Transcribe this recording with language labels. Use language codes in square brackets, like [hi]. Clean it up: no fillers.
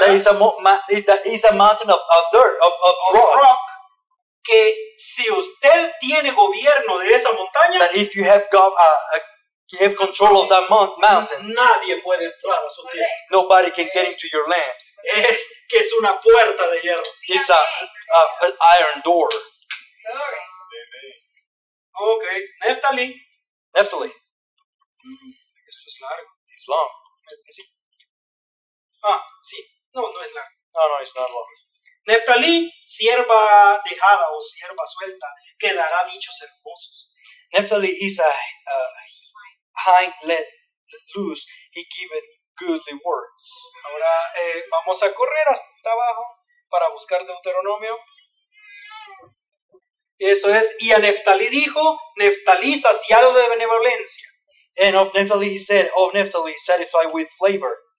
[en] That is a mountain of dirt, of rock. [es] Que si usted tiene gobierno de esa montaña, [en] that if you have got you have control of that mountain, [es] nadie puede entrar a su tierra. [en] Nobody can get into your land. [es] Es que es una puerta de hierro. [en] It's an iron door. [es] Okay, Neftali. [en] Neftali. [es] Esto es largo. [en] It's long. [es] Ah, sí. No, no es largo. [en] No, it's not long. [es] Neftalí, sierva dejada o sierva suelta, quedará dichos hermosos. [en] Neftalí is a hind let loose, he giveth goodly words. [es] Ahora vamos a correr hasta abajo para buscar Deuteronomio. Eso es, y a Neftalí dijo, Neftalí saciado de benevolencia. [en] And of Neftalí he said, of Neftalí satisfied with favor.